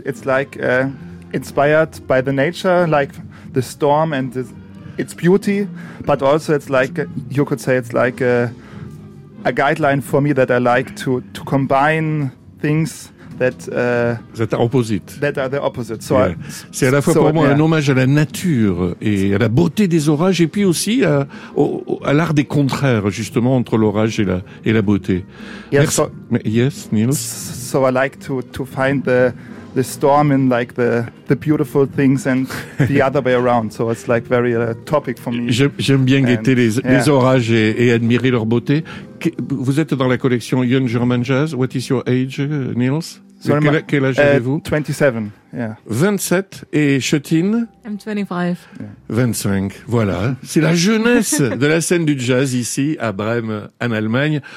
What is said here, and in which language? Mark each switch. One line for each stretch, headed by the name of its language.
English: It's like inspired by the nature, like the storm and its beauty. But also it's like, you could say it's like a guideline for me that I like to combine things that are opposite. That are the opposite. So yeah.
French: C'est à la fois pour moi un hommage à la nature et à la beauté des orages et puis aussi à l'art des contraires, justement, entre l'orage et la beauté.
English: Yes, yes, Nils. So I like to find the storm in like the beautiful things and the other way around. So it's like very a topic for me.
French: J'aime bien guetter les orages et admirer leur beauté. Vous êtes dans la collection Young German Jazz.
English: What is your age, Nils?
French: Quel âge avez-vous?
English: 27. Yeah.
French: 27. Et Chetine?
English: I'm 25. Yeah. 25. Voilà.
French: C'est la jeunesse de la scène du jazz ici, à Brême, en Allemagne.